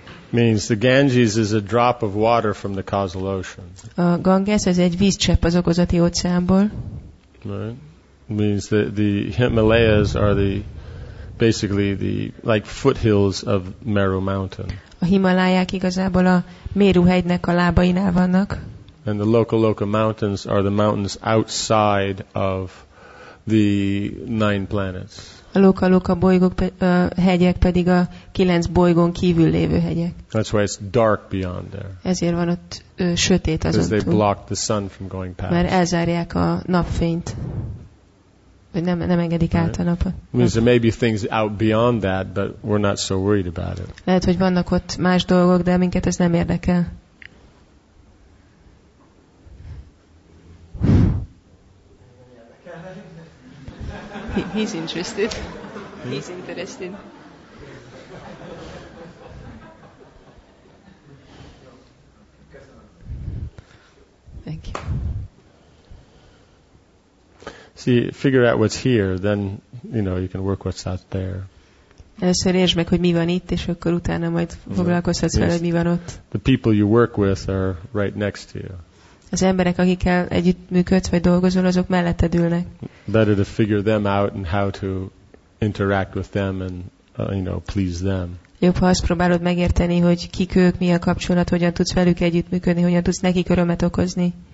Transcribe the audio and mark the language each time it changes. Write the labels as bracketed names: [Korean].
[English] Means the Ganges is a drop of water from the causal ocean. [Hungarian] A Ganges az egy vízcsepp az okozati óceánból. [English] Right. Means the Himalayas are basically the like foothills of Meru Mountain. [Hungarian] A Himalaják igazából a Meru hegynek a lábainál vannak. [English] And the Loka mountains are the mountains outside of the nine planets. [Hungarian] A Loka bolygók hegyek pedig a kilenc bolygón kívül lévő hegyek. [English] That's why it's dark beyond there. [Hungarian] Ezért van ott sötét azon túl. [English] Because they block the sun from going past. [Hungarian] Mert elzárják a napfényt. Nem engedik right. át a napot. [English] Means there may be things out beyond that, but we're not so worried about it. [Hungarian] Lehet, hogy vannak ott más dolgok, de minket ez nem érdekel. [English] He's interested. He's interested. Thank you. See, figure out what's here, then you know you can work what's out there. [Hungarian] Először értsd meg, hogy mi van itt, és akkor utána majd foglalkozhatsz vele, hogy mi van ott. [English] The people you work with are right next to you. [Hungarian] Az emberek, akikkel együtt működsz vagy dolgozol, azok melletted ülnek. [English] Better to figure them out and how to interact with them and you know, please them. [Hungarian] Jobb, ha azt próbálod megérteni, hogy kik ők, mi a kapcsolat, hogyan tudsz velük együtt működni, hogyan tudsz nekik örömet okozni.